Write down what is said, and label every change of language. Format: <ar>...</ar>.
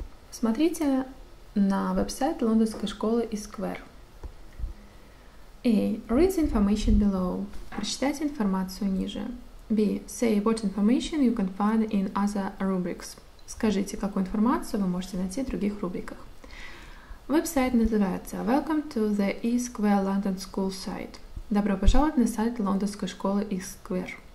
<ru>Смотрите на веб-сайт лондонской школы eSquare.</ru> <en>A. Read the information below.</en> <ru>Прочитайте информацию ниже. B.</ru> <en>Say what information you can find in other rubrics.</en> <ru>Скажите, какую информацию вы можете найти в других рубриках. Веб-сайт называется</ru> <en>Welcome to the eSquare London School site.</en> <ru>Добро пожаловать на сайт лондонской школы eSquare.</ru>